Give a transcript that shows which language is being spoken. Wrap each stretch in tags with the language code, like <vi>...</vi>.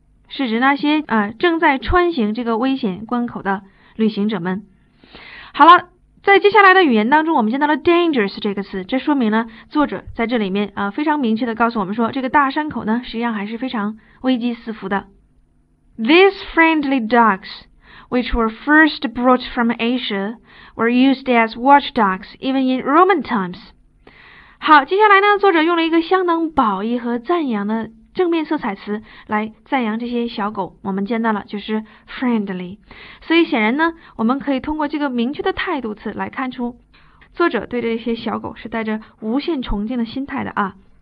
<zh>是指那些正在穿行这个危险关口的旅行者们。好了，在接下来的语言当中，我们见到了 dangerous 这个词，这说明呢，作者在这里面非常明确的告诉我们说，这个大山口呢，实际上还是非常危机四伏的。</zh> <en>These friendly dogs, which were first brought from Asia, were used as watchdogs even in Roman times.</en> <zh>好，接下来呢，作者用了一个相当褒义和赞扬的正面色彩词来赞扬这些小狗，我们见到了就是 friendly, 所以显然呢，我们可以通过这个明确的态度词来看出作者对这些小狗是带着无限崇敬的心态的啊。</zh>